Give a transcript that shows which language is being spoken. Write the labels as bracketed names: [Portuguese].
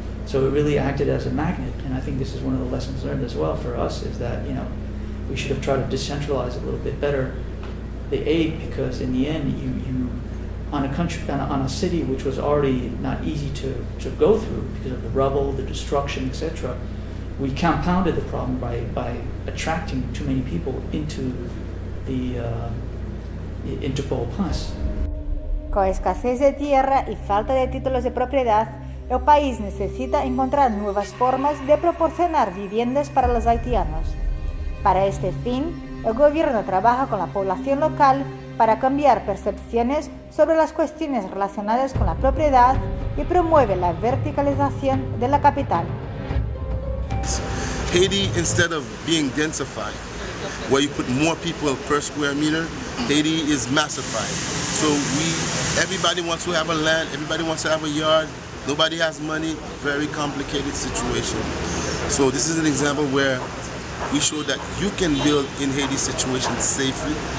[English] So it really acted as a magnet, and I think this is one of the lessons learned as well for us, is that, you know, we should have tried to decentralize a little bit better the aid, because in the end, you on a country, on a city which was already not easy to go through because of the rubble, the destruction, etc., we compounded the problem by attracting too many people into Port-au-Prince. [Spanish] Con escasez de tierra y falta de títulos de propiedad, el país necesita encontrar nuevas formas de proporcionar viviendas para los haitianos. Para este fin, el gobierno trabaja con la población local para cambiar percepciones sobre las cuestiones relacionadas con la propiedad y promueve la verticalización de la capital. [English] Haiti, instead of being densified, where you put more people per square meter, Haiti is massified. So everybody wants to have a land, everybody wants to have a yard, nobody has money, very complicated situation. So this is an example where we show that you can build in Haiti situations safely.